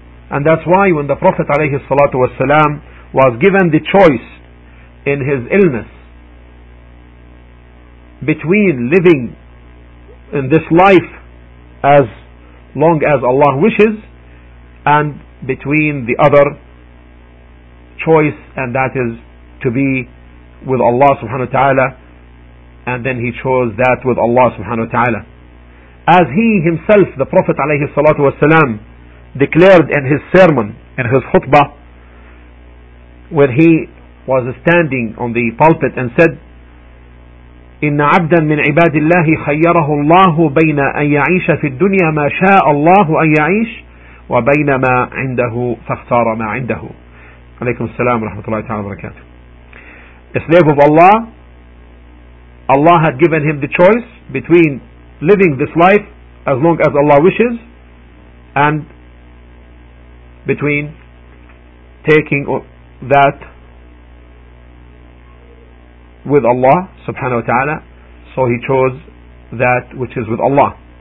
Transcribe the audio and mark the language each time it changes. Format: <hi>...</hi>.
<en>And that's why when the Prophet alayhi salatu wasalam was given the choice in his illness between living in this life as long as Allah wishes and between the other choice, and that is to be with Allah subhanahu wa ta'ala, and then he chose that with Allah subhanahu wa ta'ala. As he himself, the Prophet alayhi salatu wasalam, declared in his sermon, in his khutbah, when he was standing on the pulpit and said,</en> <ar>إِنَّ عَبْدًا مِنْ عِبَادِ اللَّهِ خَيَّرَهُ اللَّهُ بَيْنَ أَنْ يَعِيشَ فِي الدُّنْيَا مَا شَاءَ اللَّهُ أَنْ يَعِيشَ وَبَيْنَ مَا عِنْدَهُ فَاخْتَارَ مَا عِنْدَهُ. عليكم السلام ورحمة الله تعالى وبركاته.</ar> <en>A slave of Allah, Allah had given him the choice between living this life as long as Allah wishes and between taking that with Allah subhanahu wa ta'ala, so he chose that which is with Allah.</en>